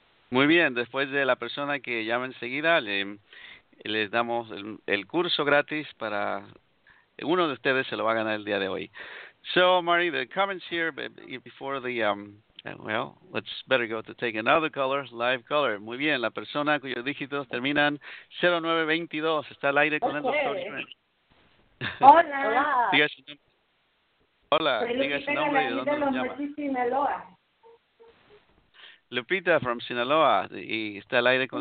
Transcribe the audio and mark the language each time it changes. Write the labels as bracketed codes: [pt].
[es] Muy bien, después de la persona que llama enseguida, les damos el curso gratis para uno de ustedes se lo va a ganar el día de hoy. [en] So, Marty, the comments here before the, well, let's better go to take another caller, live caller. [es] Muy bien, la persona cuyos dígitos terminan 0922, está al aire con [en] okay. [es] El doctor. Hola. Hola. Diga su nombre. Hola, diga su nombre y de dónde nos llama. Lupita [en] from [es] Sinaloa, y está al aire con